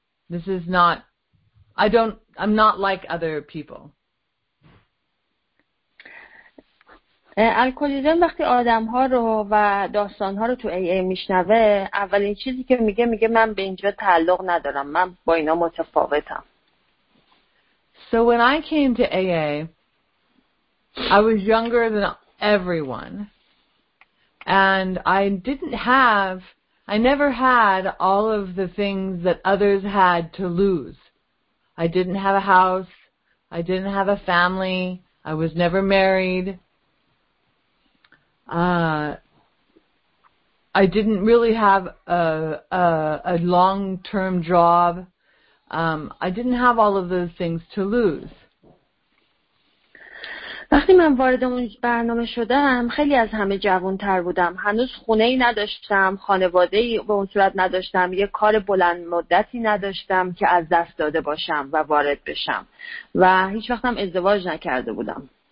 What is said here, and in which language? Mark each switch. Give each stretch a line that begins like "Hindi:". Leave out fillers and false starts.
English: This is not, I'm not like other people.
Persian: الکلیزم وقتی آدم ها رو و داستان ها رو تو AA میشنوه، اولین چیزی که میگه من به اینجا تعلق ندارم، من با اینا متفاوتم.
English: So when I came to AA, I was younger than everyone. And I never had all of the things that others had to lose. I didn't have a house. I didn't have a family. I was never married. I didn't really have a long-term job. I didn't have all of those things to lose.
Persian: وقتی من وارد اون برنامه شدم خیلی از همه جوان‌تر بودم. هنوز خونه‌ای نداشتم، خانواده‌ای به اون صورت نداشتم، یه کار بلند مدتی نداشتم که از دست داده باشم و وارد بشم و هیچ وقت هم ازدواج نکرده بودم.